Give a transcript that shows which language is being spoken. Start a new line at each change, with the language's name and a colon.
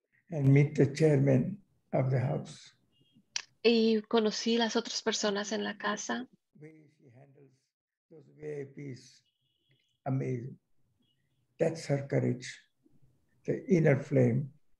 English: And meet the chairman of the house.
Spanish: Y conocí las otras personas en la casa.
English: She handles those VIPs. Amazing. That's her courage, the inner flame.